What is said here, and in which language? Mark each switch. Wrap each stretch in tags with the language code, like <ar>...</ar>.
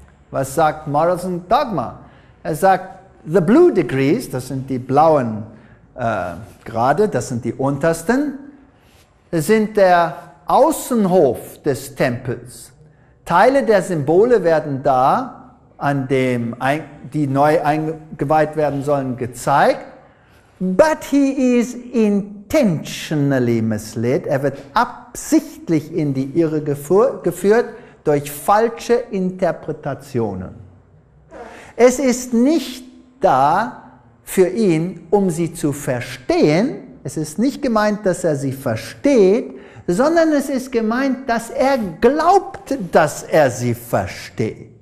<de>Was sagt Morals and Dogma? Er sagt,</de> <en>the blue degrees,</en> <de>das sind die blauen gerade, das sind die untersten, sind der Außenhof des Tempels. Teile der Symbole werden da, an dem die neu eingeweiht werden sollen, gezeigt.</de> <en>But he is intentionally misled.</en> <de>Er wird absichtlich in die Irre geführt durch falsche Interpretationen. Es ist nicht da, für ihn, um sie zu verstehen. Es ist nicht gemeint, dass er sie versteht, sondern es ist gemeint, dass er glaubt, dass er sie versteht.</de>